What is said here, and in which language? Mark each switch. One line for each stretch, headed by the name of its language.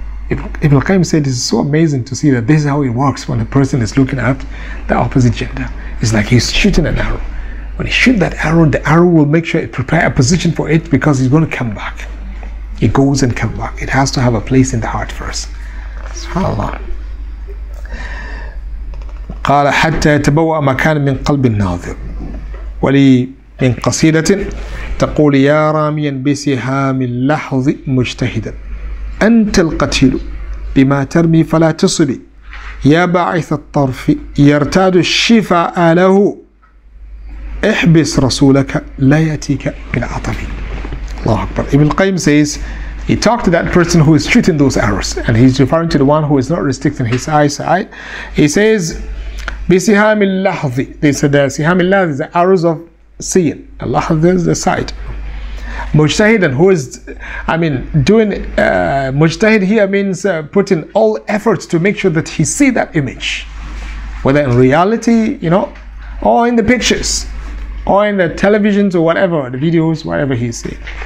English: Ibn Al Qayyim said, it's so amazing to see that this is how it works when a person is looking at the opposite gender. It's like he's shooting an arrow. When he shoots that arrow, the arrow will make sure it prepare a position for it, because he's going to come back. It goes and comes back. It has to have a place in the heart first. SubhanAllah.
Arabic: قال حتى يتبوأ مكان من قلب الناظر ولي من قصيدة تقول يا راميا بسهام اللحظ مجتهدا أنت القتيل بما ترمي فلا تصلي يا باعث الطرف يرتاد الشفاء له احبس رسولك لا يأتيك بالعطل.
English: Allah Akbar. Ibn Qayyim says, he talked to that person who is shooting those arrows, and he's referring to the one who is not restricting his eyesight. He says,
Arabic: بسهام اللحظ.
English: They said,
Arabic: سهام اللحظ
English: is the arrows of seeing. Allah is the sight. Mujtahidan, who is, I mean, doing, mujtahid here means putting all efforts to make sure that he see that image, whether in reality, you know, or in the pictures, or in the televisions or whatever, the videos, whatever he's seeing.